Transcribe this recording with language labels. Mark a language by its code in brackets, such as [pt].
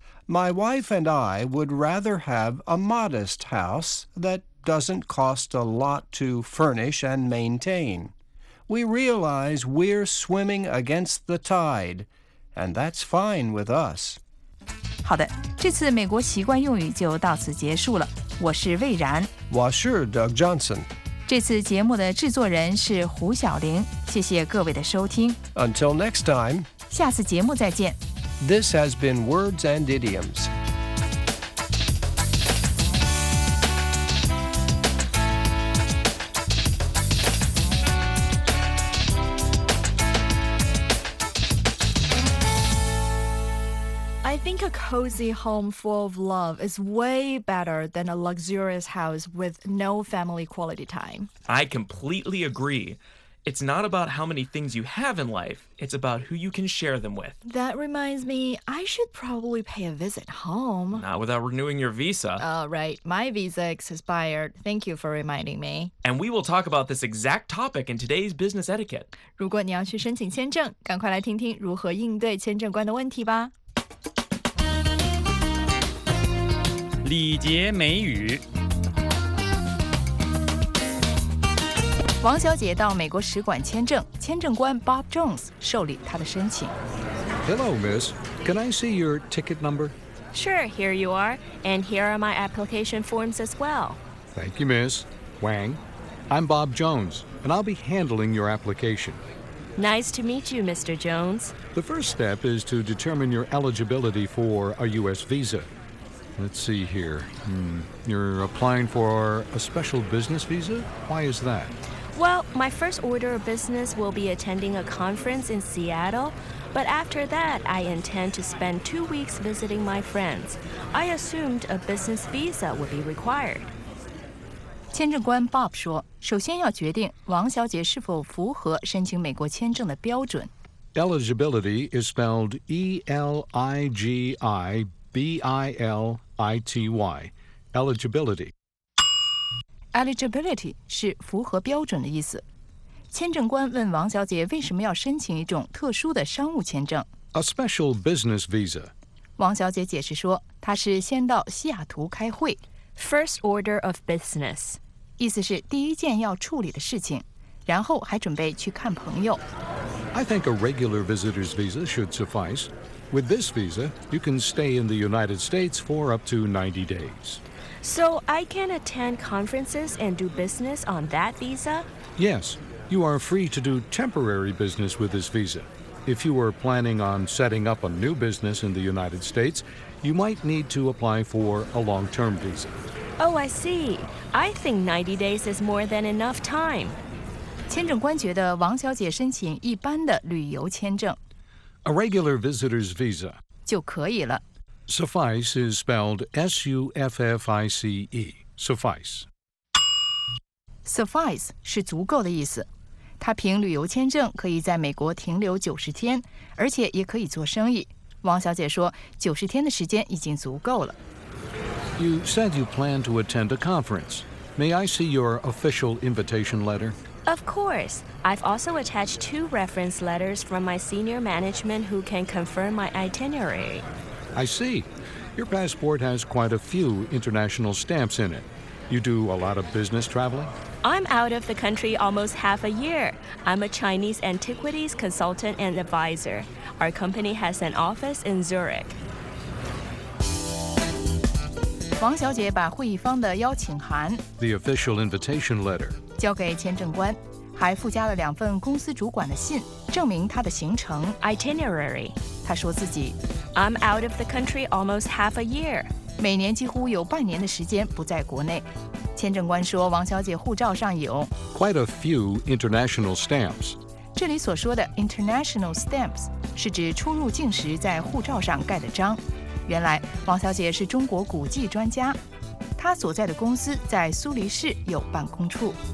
[en] My wife and I would rather have a modest house that doesn't cost a lot to furnish and maintain. We realize we're swimming against the tide, and that's fine with us. [zh] 好的，这次美国习惯用语就到此结束了。我是魏然，我是 Doug Johnson。这次节目的制作人是胡晓玲，谢谢各位的收听。 [en] Until next time， [zh] 下次节目再见。 [en] This has been Words and Idioms。 A cozy home full of love is way better than a luxurious house with no family quality time. I completely agree. It's not about how many things you have in life, it's about who you can share them with. That reminds me, I should probably pay a visit home. Not without renewing your visa. Oh, right. My visa expired. Thank you for reminding me. And we will talk about this exact topic in today's business etiquette. [zh] 如果你要去申请签证，赶快来听听如何应对签证官的问题吧。礼节美语。王小姐到美国使馆签证，签证官 Bob Jones 受理她的申请。 [en] Hello, miss. Can I see your ticket number? Sure, here you are. And here are my application forms as well. Thank you, miss. Wang, I'm Bob Jones, and I'll be handling your application. Nice to meet you, Mr. Jones. The first step is to determine your eligibility for a U.S. visa. Let's see here. You're applying for a special business visa? Why is that? Well, my first order of business will be attending a conference in Seattle. But after that, I intend to spend 2 weeks visiting my friends. I assumed a business visa would be required. [zh] 签证官 Bob 说，首先要决定王小姐是否符合申请美国签证的标准。 [en] Eligibility is spelled E-L-I-G-I-B-I-L-I-T-Y. Eligibility. [zh] Eligibility 是符合标准的意思。签证官问王小姐为什么要申请一种特殊的商务签证。 [en] A special business visa. [zh] 王小姐解释说，她是先到西雅图开会。 [en] First order of business. [zh] 意思是第一件要处理的事情，然后还准备去看朋友。 [en] I think a regular visitor's visa should suffice. With this visa, you can stay in the United States for up to 90 days. So I can attend conferences and do business on that visa? Yes, you are free to do temporary business with this visa. If you were planning on setting up a new business in the United States, you might need to apply for a long-term visa. Oh, I see. I think 90 days is more than enough time. [zh] 签证官觉得王小姐申请一般的旅游签证。 [en] A regular visitor's visa [zh] 就可以了。 [en] Suffice is spelled S-U-F-F-I-C-E. Suffice. [zh] Suffice 是足够的意思。他凭旅游签证可以在美国停留90天，而且也可以做生意。王小姐说，90天的时间已经足够了。 [en] You said you plan to attend a conference. May I see your official invitation letter? Of course. I've also attached 2 reference letters from my senior management who can confirm my itinerary. I see. Your passport has quite a few international stamps in it. You do a lot of business traveling? I'm out of the country almost half a year. I'm a Chinese antiquities consultant and advisor. Our company has an office in Zurich. [zh] 王小姐把会议方的邀请函 [en] The official invitation letter [zh] 交给签证官，还附加了两份公司主管的信，证明她的行程 [en] Itinerary [zh] 她说自己 [en] I'm out of the country almost half a year. [zh] 每年几乎有半年的时间不在国内。签证官说，王小姐护照上有 [en] quite a few international stamps. [zh] 这里所说的 international stamps 是指出入境时在护照上盖的章。原来王小姐是中国古迹专家，她所在的公司在苏黎世有办公处。